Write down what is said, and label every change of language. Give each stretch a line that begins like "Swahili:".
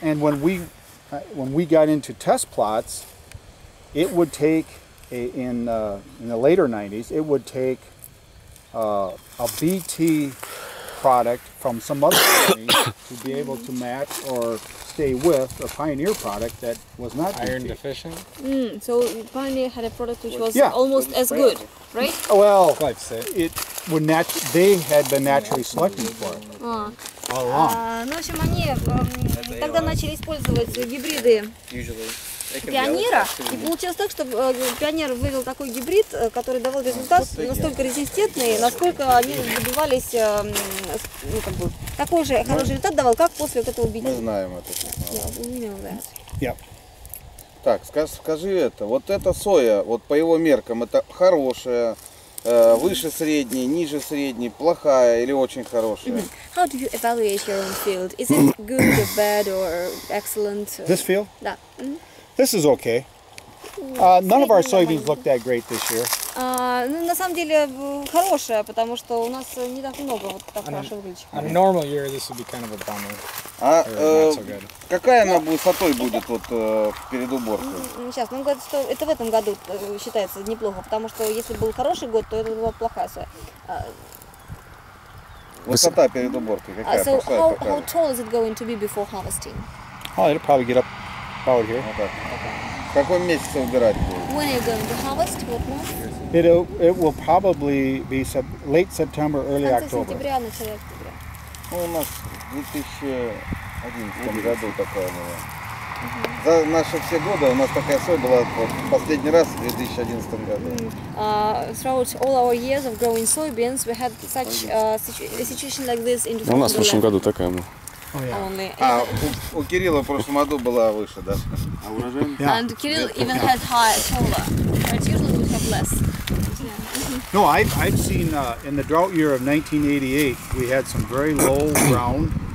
English: And when we got into test plots, it would take, in the later 90s, it would take a BT product from some other company to be able to match or stay with a Pioneer product that was not iron BT. Deficient. Mm, so Pioneer had a product which was yeah. almost as good, right? Well, it would they had been naturally selecting for it. All along.
Russian: Ну, в общем, они тогда начали использовать гибриды. Пионера, и получилось так, что Пионер вывел такой гибрид, который давал результат настолько резистентный, насколько они добивались, ну, как бы, такой же хороший результат давал, как после вот этого убийства. Мы знаем это. Да. Так, скажи это, вот эта соя, вот по его меркам, это хорошая, выше средней, ниже средней, плохая или очень хорошая?
English: How do you evaluate your own field? Is it good or bad or excellent? This field?
Russian: Да.
English: This is okay. None of our soybeans look that great this year.
Russian: Ну на самом деле хорошая, потому что у нас не так много вот так хорошо выглядит.
English: On a normal year, this would be kind of a bummer.
Russian: А какая она высотой будет вот перед уборкой? Сейчас, ну говорят, что это в этом году считается неплохо, потому что если был хороший год, то это была плохая соя. Высота перед уборкой какая?
English: So how tall is it going to be before harvesting? Oh, it'll probably get up. Okay. Okay.
Russian: В каком месяце убирать будет?
English: When are you going to harvest? What month? It will probably be late September, early October.
Russian: Сентября, начало октября. Ну, у нас в 2011 году такая была. За наши все годы у нас такая соль была вот, последний раз в 2011 году.
English: Throughout all our years of growing soybeans, we had such a situation like this in 2011.
Russian: У нас в прошлом году такая была. А у Кирилла в прошлом году была выше, да? А урожай?
English: And Kirill even had higher, taller. But usually we have less. No, I've seen in the drought year of 1988, we had some very low ground.